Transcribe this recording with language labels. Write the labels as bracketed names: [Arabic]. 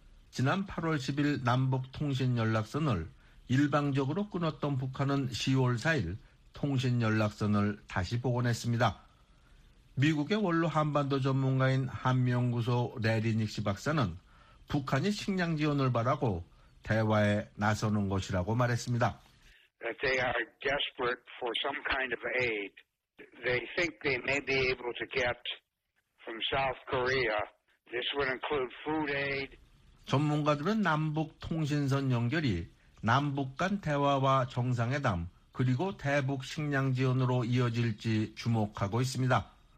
[Korean] 지난 8월 10일 남북통신연락선을 일방적으로 끊었던 북한은 10월 4일 통신연락선을 다시 복원했습니다. 미국의 원로 한반도 전문가인 한미연구소 레리닉 씨 박사는 북한이 식량 지원을 바라고 대화에 나서는 것이라고 말했습니다. [English] That they are desperate for some kind of aid, they think they may be able to get from South Korea. This would include food aid. [Korean] 전문가들은 남북 통신선 연결이 남북 간 대화와 정상회담 그리고 대북 식량 지원으로 이어질지 주목하고 있습니다.